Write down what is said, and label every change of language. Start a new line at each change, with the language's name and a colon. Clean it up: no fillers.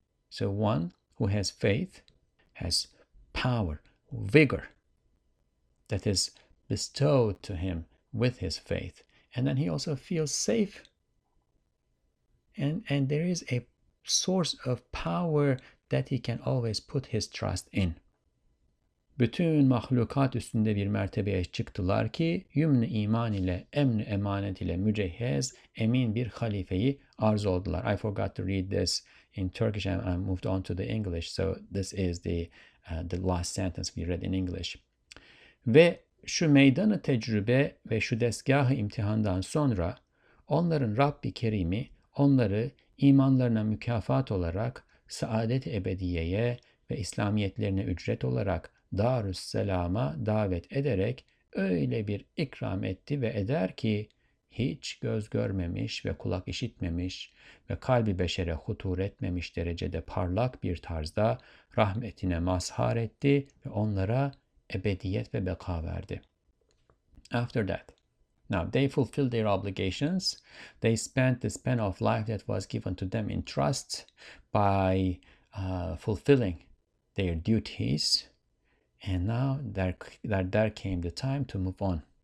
English: So one who has faith has power, vigor that is bestowed to him with his faith, and then he also feels safe. And there is a source of power that he can always put his trust in.
Turkish: Bütün mahlukat üstünde bir mertebeye çıktılar ki, yümnü iman ile, emnü emanet ile mücehhez, emin bir halifeyi arz oldular.
English: I forgot to read this in Turkish and I moved on to the English. So this is the last sentence we read in English. Ve
Turkish: şu meydanı tecrübe ve şu desgahı imtihandan sonra onların Rabbi Kerim'i onları imanlarına mükafat olarak saadet-i ebediyeye ve İslamiyetlerine ücret olarak Darüsselam'a davet ederek öyle bir ikram etti ve eder ki hiç göz görmemiş ve kulak işitmemiş ve kalbi beşere hutur etmemiş derecede parlak bir tarzda rahmetine mazhar etti ve onlara ebediyet ve beka verdi.
English: After that, now they fulfilled their obligations. They spent the span of life that was given to them in trust by fulfilling their duties. And now there came the time to move on.